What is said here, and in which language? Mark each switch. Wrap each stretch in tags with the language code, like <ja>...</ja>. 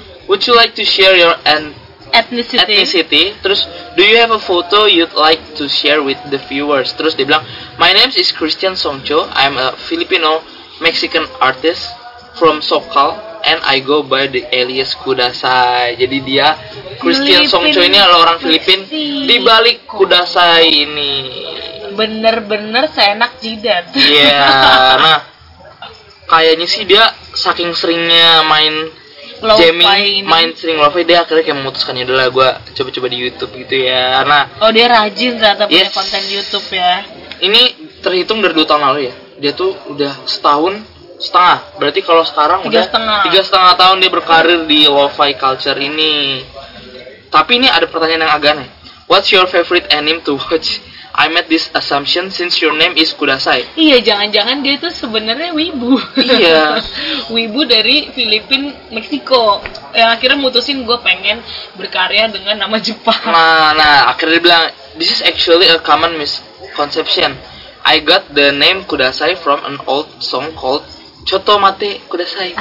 <en>Would you like to share your ethnicity?</en> <id>Terus,</id> <en>do you have a photo you'd like to share with the viewers?"</en> <id>Terus dia bilang,</id> <en>"My name is Christian Songcho. I'm a Filipino Mexican artist from Sokal and I go by the alias Kudasai."</en> <id>Jadi dia Christian Songcho ini adalah orang Filipin di balik Kudasai ini. Bener-bener seenak jidat. Iya. Yeah. Nah, kayaknya sih dia saking seringnya main lo-fi jamming, main sering lo-fi, dia akhirnya kayak memutuskan, yaudahlah gue coba-coba di YouTube gitu ya. Nah, oh dia rajin ternyata punya konten YouTube ya. Ini terhitung dari 2 tahun lalu ya. Dia tuh udah setahun setengah. Berarti kalau sekarang 3 setengah tahun dia berkarir di lo-fi culture ini. Tapi ini ada pertanyaan yang agak aneh.</id> <en>What's your favorite anime to watch? I made this assumption since your name is Kudasai.</en> <id>Iya, jangan-jangan dia tuh sebenarnya wibu. Iya. Wibu dari Filipin, Meksiko. Yang akhirnya mutusin gue pengen berkarya dengan nama Jepang. Nah, akhirnya dia bilang,</id> <en>"This is actually a common misconception. I got the name Kudasai from an old song called Chotomate Kudasai."</en>